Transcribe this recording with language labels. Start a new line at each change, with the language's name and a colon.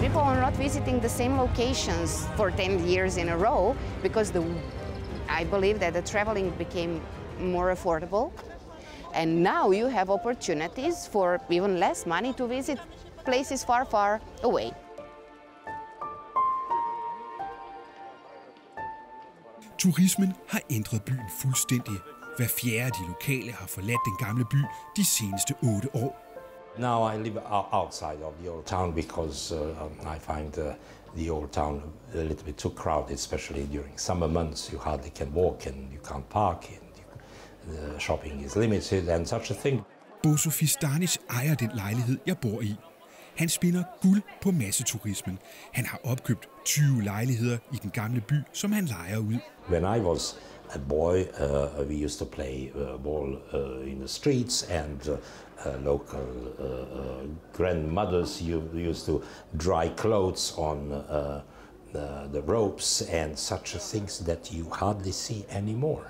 English: People are not visiting the same locations for 10 years in a row because I believe that the traveling became more affordable. And now you have opportunities for even less money to visit places far, far away.
Danish: Turismen har ændret byen fuldstændig. Hver fjerde af de lokale har forladt den gamle by de seneste 8 år.
English: Now I live outside of the old town because I find the old town a little bit too crowded, especially during summer months. You hardly can walk and you can't park and the shopping is limited and such a thing.
Danish: Bosu Fistanić ejer den lejlighed jeg bor i. Han spinder guld på masseturismen. Han har opkøbt 20 lejligheder i den gamle by, som han lejer ud.
English: When I was a boy, we used to play ball in the streets, and local grandmothers used to dry clothes on the ropes and such things that you hardly see anymore.